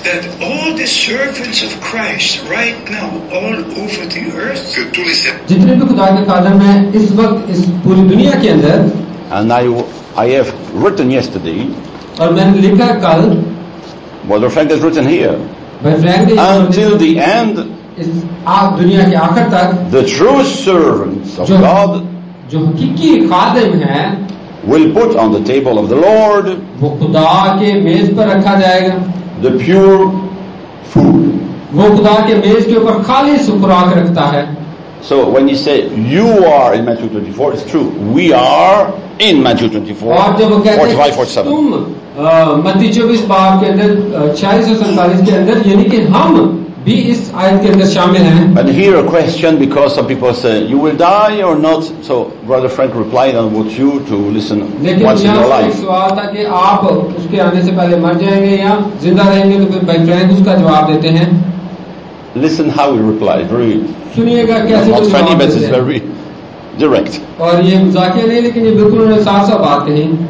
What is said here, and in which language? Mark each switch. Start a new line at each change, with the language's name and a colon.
English: That all the servants of Christ right now, all over the earth.
French: Que tous les
Urdu: जितने भी खुदा के कादम हैं इस वक्त इस पूरी दुनिया के अंदर.
English: And I have written yesterday.
Urdu: और मैंने लिखा कल.
English: Brother Frank has written here. Brother Frank has until the end.
Urdu: इस आप दुनिया के आखिर तक.
English: The true servants of God.
Urdu: जो हकीकी कादम हैं.
English: Will put on the table of the Lord
Urdu: वो खुदा के मेज पर रखा जाएगा.
English: The pure food
Urdu: वो खुदा के मेज के ऊपर खाली खुराक रखता है.
English: So when you say you are in Matthew 24, it's true. We are in Matthew 24:45-47.
Urdu: तुम मत्ती 24 बाब के अंदर 46 और 47 के अंदर यानी कि हम
English: But here a question, because some people say, you will die or not? So Brother Frank replied, I want you to listen once in your life. Listen how he replied, very not funny, but it's very direct.